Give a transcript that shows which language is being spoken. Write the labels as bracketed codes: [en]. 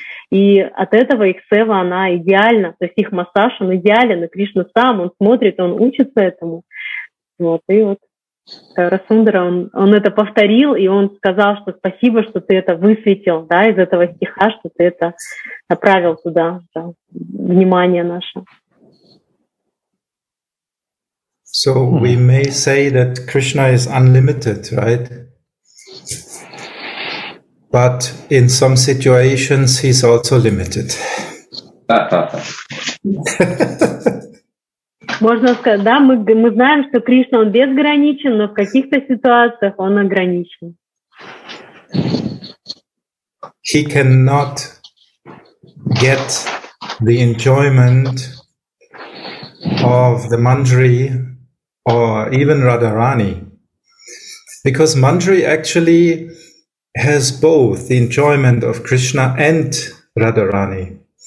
[ru] И от этого их сева, она идеальна, то есть их массаж, он идеален, и Кришна сам, он смотрит, он учится этому. Вот, и вот. Расундра, он это повторил, и он сказал, что спасибо, что ты это высветил, да, из этого стиха, что ты это направил туда, да, внимание наше. [en] So we may say that Krishna is unlimited, right? But in some situations he's also limited. [ru] Можно сказать, да, мы знаем, что Кришна, он безграничен, но в каких-то ситуациях он ограничен. [en] He cannot get the enjoyment of the Manjari or even Radharani. Because Manjari actually has both the enjoyment of Krishna and Radharani.